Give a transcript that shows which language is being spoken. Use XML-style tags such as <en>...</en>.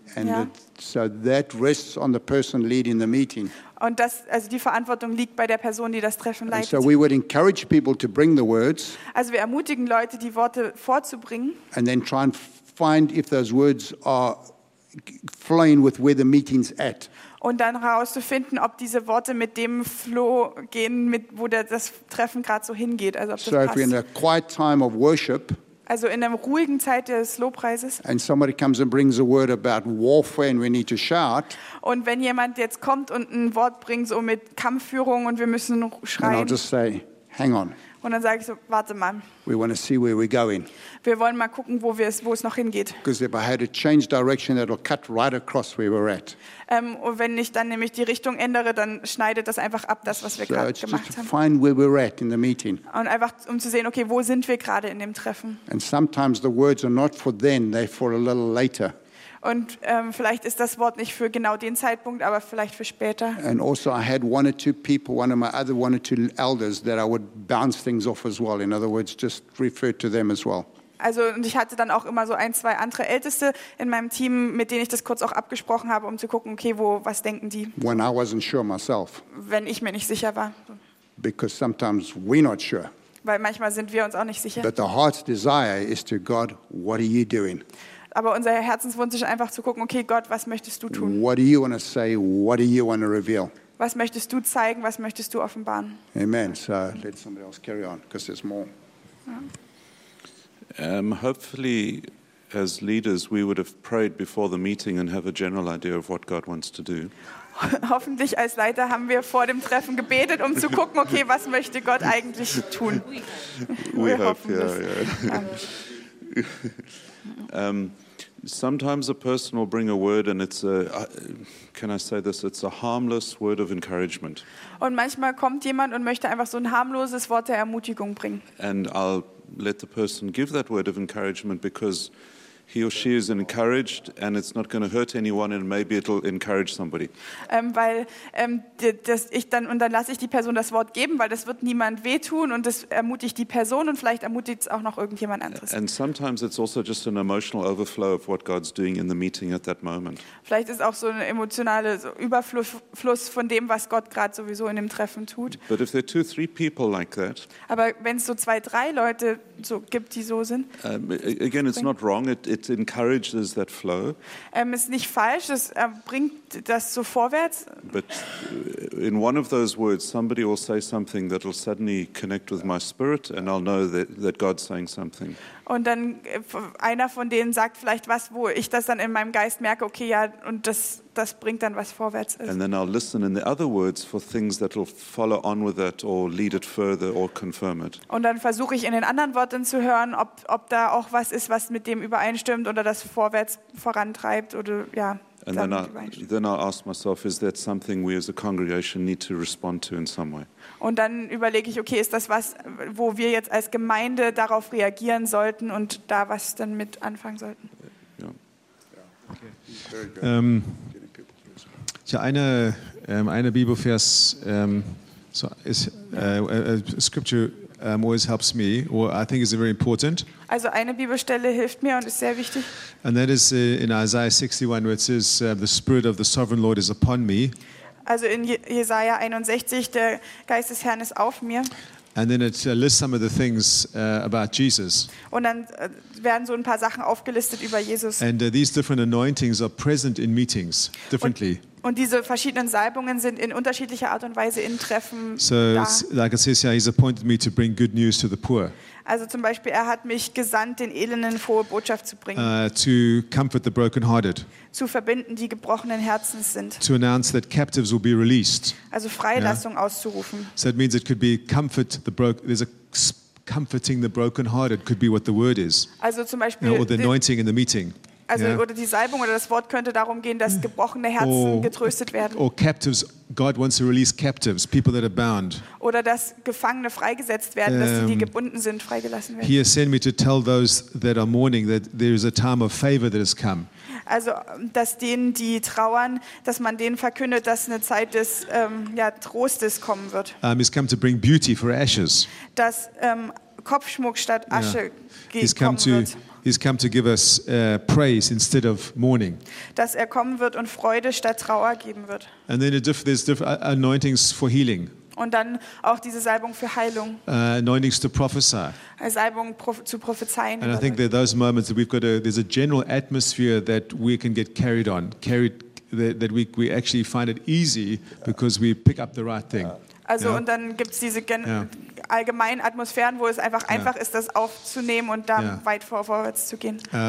<en>And so that rests on the person leading the meeting.</en> <de>Und das, also die Verantwortung liegt bei der Person, die das Treffen leitet.</de> <en>And so we would encourage people to bring the words.</en> <de>Also wir ermutigen Leute, die Worte vorzubringen.</de> <en>And then try and find if those words are flowing with where the meeting's at.</en> <de>Und dann herauszufinden, ob diese Worte mit dem Flow gehen, mit wo das Treffen gerade so hingeht, also ob das passt.</de> <en>So if we're in a quiet time of worship.</en> <de>also in der ruhigen Zeit des Lobpreises.</de> <en>And somebody comes and brings a word about warfare and we need to shout.</en> <de>Und wenn jemand jetzt kommt und ein Wort bringt so mit Kampfführung und wir müssen schreien.</de> <en>And I'll just say, hang on.</en> <de>Und dann sage ich so, warte mal.</de> <en>We want to see where we're going.</en> <de>Wir wollen mal gucken, wo es noch hingeht.</de> <en>Because if I had to change direction, that'll cut right across where we're at.</en> <de>Und wenn ich dann nämlich die Richtung ändere, dann schneidet das einfach ab, das, was wir gerade gemacht haben.</de> <en>So it's just to find where we're at in the meeting.</en> <de>Und einfach um zu sehen, okay, wo sind wir gerade in dem Treffen?</de> <en>And sometimes the words are not for then, they're for a little later.</en> <de>Und vielleicht ist das Wort nicht für genau den Zeitpunkt, aber vielleicht für später.</de> <en>And also I had one or two people, one or two elders that I would bounce things off as well. In other words, just refer to them as well.</en> <de>Also und ich hatte dann auch immer so ein, zwei andere Älteste in meinem Team, mit denen ich das kurz auch abgesprochen habe, um zu gucken, okay, was denken die?</de> <en>When I wasn't sure myself.</en> <de>Wenn ich mir nicht sicher war.</de> <en>Because sometimes we're not sure.</en> <de>Weil manchmal sind wir uns auch nicht sicher.</de> <en>But the heart's desire is to God, what are you doing?</en> <de>Aber unser Herzenswunsch ist einfach zu gucken, okay, Gott, was möchtest du tun?</de> <en>What do you want to say? What do you want to reveal?</en> <de>Was möchtest du zeigen? Was möchtest du offenbaren?</de> <en>Amen. So let somebody else carry on, because there's more. Hopefully, as leaders, we would have prayed before the meeting and have a general idea of what God wants to do.</en> <de>Hoffentlich als Leiter haben wir vor dem Treffen gebetet, um zu gucken, okay, was möchte Gott eigentlich tun?</de> <en>We hope, yeah, yeah. sometimes a person will bring a word and it's a can I say this, it's a harmless word of encouragement.</en> <de>Und manchmal kommt jemand und möchte einfach so ein harmloses Wort der Ermutigung bringen.</de> <en>And I'll let the person give that word of encouragement because he or she is encouraged and it's not going to hurt anyone and maybe it'll encourage somebody.</en> <de>Dann lasse ich die Person das Wort geben, weil das wird niemand wehtun und das ermutigt die Person und vielleicht ermutigt es auch noch irgendjemand anderes.</de> <en>And sometimes it's also just an emotional overflow of what God's doing in the meeting at that moment.</en> <de>Vielleicht ist auch so ein emotionaler Überfluss von dem, was Gott gerade sowieso in dem Treffen tut.</de> <en>But if there are two, three people like that.</en> <de>Aber wenn es so zwei, drei Leute so gibt, die so sind.</de> <en>Again, it's not wrong. It encourages that flow.</en> <de>Ist nicht falsch, es bringt das so vorwärts.</de> <en>But in one of those words, somebody will say something that will suddenly connect with my spirit, and I'll know that God's saying something.</en> <de>Und dann einer von denen sagt vielleicht was, wo ich das dann in meinem Geist merke, okay, ja, und das bringt dann was vorwärts.</de> <en>And then I'll listen in the other words for things that will follow on with that or lead it further or confirm it.</en> <de>Und dann versuche ich in den anderen Worten zu hören, ob da auch was ist, was mit dem übereinstimmt oder das vorwärts vorantreibt oder ja.</de> <en>And then I ask myself, is that something we as a congregation need to respond to in some way?</en> <de>Und dann überlege ich, okay, ist das was, wo wir jetzt als Gemeinde darauf reagieren sollten und da was dann mit anfangen sollten? Eine Bibelvers</de> <en>always helps me, or I think is very important.</en> <de>Also eine Bibelstelle hilft mir und ist sehr wichtig.</de> <en>And that is in Isaiah 61, where it says, "The Spirit of the Sovereign Lord is upon me."</en> <de>Also in Jesaja 61, der Geist des Herrn ist auf mir.</de> <en>And then it lists some of the things about Jesus.</en> <de>Und dann werden so ein paar Sachen aufgelistet über Jesus.</de> <en>And these different anointings are present in meetings differently.</en> <de>Und diese verschiedenen Salbungen sind in unterschiedlicher Art und Weise in Treffen so da.</de> <en>Like it says, yeah, he's appointed me to bring good news to the poor.</en> <de>Also zum Beispiel, er hat mich gesandt, den Elenden frohe Botschaft zu bringen.</de> <en>To comfort the brokenhearted.</en> <de>Zu verbinden, die gebrochenen Herzens sind.</de> <en>To announce that captives will be released.</en> <de>Also Freilassung auszurufen.</de> <en>So that means it could be comfort the broken. There's a comforting the brokenhearted could be what the word is.</en> <de>Also zum Beispiel.</de> <en>You know, or the anointing in the meeting.</en> <de>Also oder die Salbung oder das Wort könnte darum gehen, dass gebrochene Herzen getröstet werden.</de> <en>Or captives, God wants to release captives, people that are bound.</en> <de>Oder dass Gefangene freigesetzt werden, dass die gebunden sind, freigelassen werden.</de> <en>He has sent me to tell those that are mourning that there is a time of favor that has come.</en> <de>Also dass denen, die trauern, dass man denen verkündet, dass eine Zeit des Trostes kommen wird.</de> <en>He's come to bring beauty for ashes.</en> <de>Dass Kopfschmuck statt Asche</de> <en>he's come to,</en> <de>wird.</de> <en>He's come to give us praise instead of mourning.</en> <de>Dass er kommen wird und Freude statt Trauer geben wird.</de> <en>And then there's different anointings for healing.</en> <de>Und dann auch diese Salbung für Heilung.</de> <en>Anointings to prophesy.</en> <de>Salbung zu prophezeien.</de> <en>And I think there are those moments that we've got there's a general atmosphere that we can get carried on, that we actually find it easy because we pick up the right thing.</en> <de>Also und dann gibt's diese allgemeinen Atmosphären, wo es einfach einfach ist, das aufzunehmen und dann weit vorwärts zu gehen.</de>